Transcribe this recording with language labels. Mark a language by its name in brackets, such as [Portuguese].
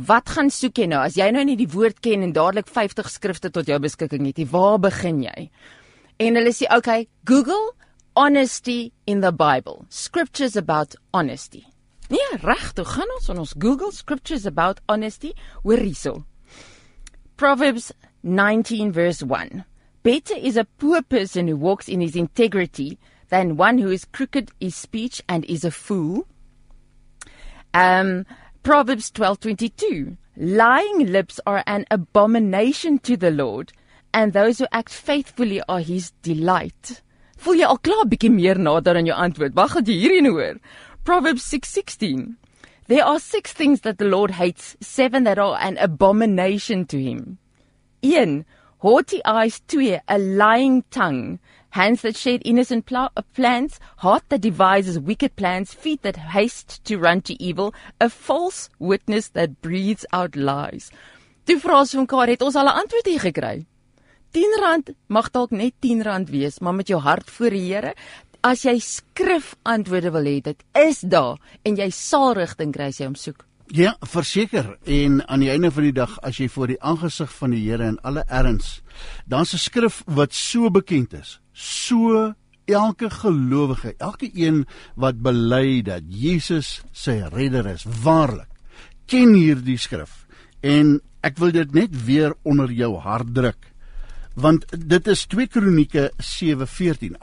[Afrikaans] Wat gaan soek jy nou? As jy nou nie die woord ken en dadelijk 50 skrifte tot jou beskikking het, waar begin jy? En hulle sê, [English] okay, Google, honesty in the Bible. Scriptures about honesty. [Afrikaans] Nee, regtig, gaan ons in ons Google [English] scriptures about honesty. [Afrikaans] Hoor hierso. [English] Proverbs 19 verse 1. Better is a poor person who walks in his integrity than one who is crooked in speech and is a fool. Proverbs 12:22. Lying lips are an abomination to the Lord, and those who act faithfully are his delight. [Afrikaans] Voel jy al klaar bykie meer nader in jou antwoord? Wat gaat jy hierin hoor? [English] Proverbs 6:16. There are 6 things that the Lord hates, 7 that are an abomination to him. 1. Haughty eyes. 2. A lying tongue. Hands that shed innocent plans. Heart that devises wicked plans. Feet that haste to run to evil. A false witness that breathes out lies. [Afrikaans] Toe vraag van mekaar, het ons al 'n antwoord hier gekry? 10 rand mag dalk net 10 rand wees, maar met jou hart voor die Here, as jy skrif antwoorde wil hê, dit is daar, en jy sal rigting kry as jy hom soek. Ja, verseker, en aan die einde van die dag, as jy voor die aangesig van die Here in alle erns, dan is 'n skrif wat so bekend is, so elke gelowige, elke een wat bely dat Jesus sy redder is, waarlik, ken hierdie skrif, en ek wil dit net weer onder jou hart druk, want dit is 2 Kronieke 7:14.